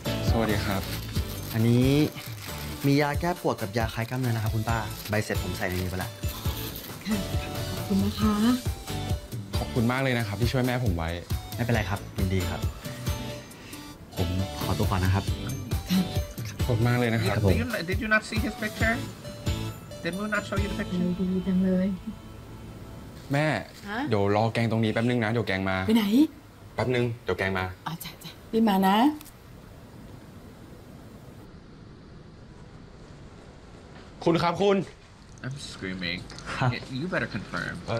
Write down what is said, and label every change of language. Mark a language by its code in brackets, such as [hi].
[th] สวัสดีครับอันนี้มียาแก้ปวดกับยาคลายกล้ามเนื้อนะครับคุณป้าใบเสร็จผมใส่ในนี้ไปแล้ว ขอบคุณนะคะ ขอบคุณมากเลยนะครับที่ช่วยแม่ผมไว้ ไม่เป็นไรครับยินดีครับผมขอตัวก่อนนะครับ ขอบมากเลยนะครับ [en] Did you not see his picture? Did we not show you the picture? [th] ดีจังเลย แม่ เดี๋ยวรอแกงตรงนี้แป๊บนึงนะเดี๋ยวแกงมา ไปไหน แป๊บนึงเดี๋ยวแกงมา อ๋อจ้ะจ้ะ รีบมานะ คุณครับคุณ [en] I'm screaming You better confirm